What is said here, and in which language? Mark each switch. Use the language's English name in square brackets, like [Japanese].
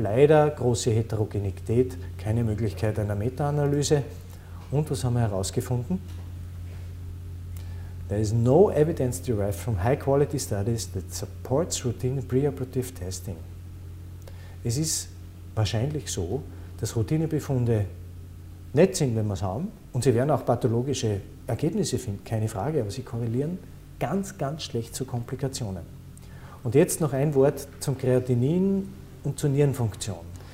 [German] Leider große Heterogenität, keine Möglichkeit einer Meta-Analyse. Und was haben wir herausgefunden? [English] There is no evidence derived from high-quality studies that supports routine preoperative testing. [German] Es ist wahrscheinlich so, dass Routinebefunde nett sind, wenn wir es haben, und sie werden auch pathologische Ergebnisse finden, keine Frage, aber sie korrelieren ganz, ganz schlecht zu Komplikationen. Und jetzt noch ein Wort zum Kreatinin und zur Nierenfunktion.